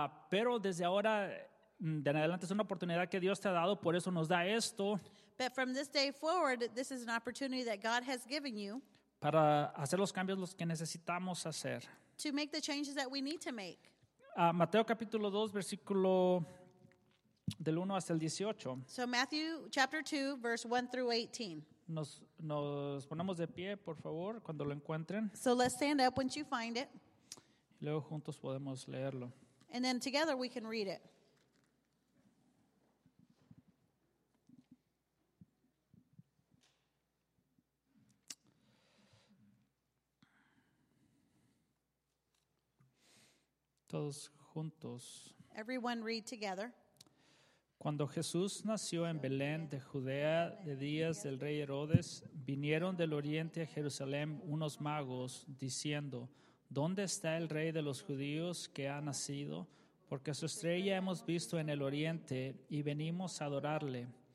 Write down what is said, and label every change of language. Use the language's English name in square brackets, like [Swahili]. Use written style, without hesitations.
[Spanish] Pero desde ahora, de en adelante es una oportunidad que Dios te ha dado, por eso nos da esto. [English] But from this day forward, this is an opportunity that God has given you. [Spanish] Para hacer los cambios los que necesitamos hacer. [English] To make the changes that we need to make. [Spanish] Mateo capítulo 2, versículo del 1 hasta el 18. [English] So Matthew chapter 2, verse 1 through 18. [Spanish] Nos ponemos de pie, por favor, cuando lo encuentren. [English] So let's stand up once you find it. [Spanish] Luego juntos podemos leerlo. [English] And then together we can read it. [Spanish] Todos juntos. [English] Everyone read together. [Spanish] Cuando Jesús nació en Belén de Judea, de días del rey Herodes, vinieron del oriente a Jerusalén unos magos, diciendo, ¿dónde está el rey de los judíos que ha nacido? Porque su estrella hemos visto en el oriente y venimos a adorarle.